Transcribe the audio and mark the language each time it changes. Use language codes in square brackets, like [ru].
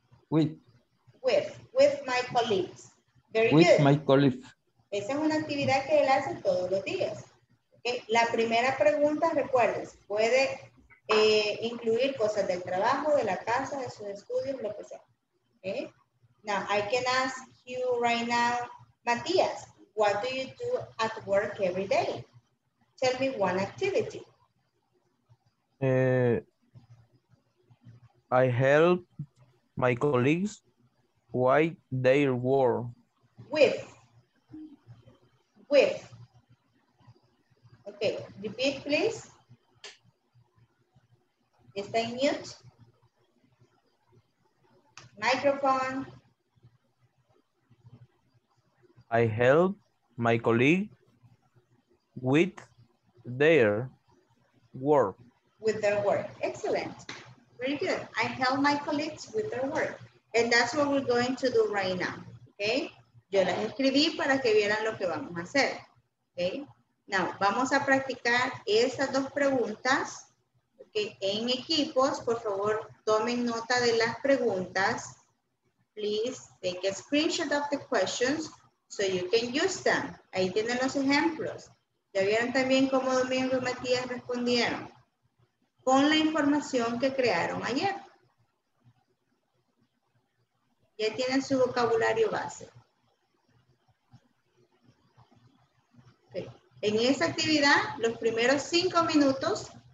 [en] With my colleagues. Very with good. My colleagues. [es] Esa es una actividad que él hace todos los días. Okay. La primera pregunta, recuerdes, puede incluir cosas del trabajo, de la casa, de sus estudios, lo que sea. [en] Okay. Now, I can ask you right now, Matías, what do you do at work every day? Tell me one activity. I help my colleagues with their work. With. Okay, repeat please. Is that mute? Microphone. I help my colleague with their work. With their work. Excellent. Very good. I help my colleagues with their work. And that's what we're going to do right now. Okay? [es] Yo las escribí para que vieran lo que vamos a hacer. Okay? Now, vamos a practicar estas dos preguntas. Okay? En equipos, por favor, tomen nota de las preguntas. [en] Please take a screenshot of the questions so you can use them. [es] Ahí tienen los ejemplos. Ya vieron también cómo Domingo y Matías respondieron. Con la información que crearon ayer. Ya tienen su vocabulario base. Okay. En esa actividad, los primeros 5 minutos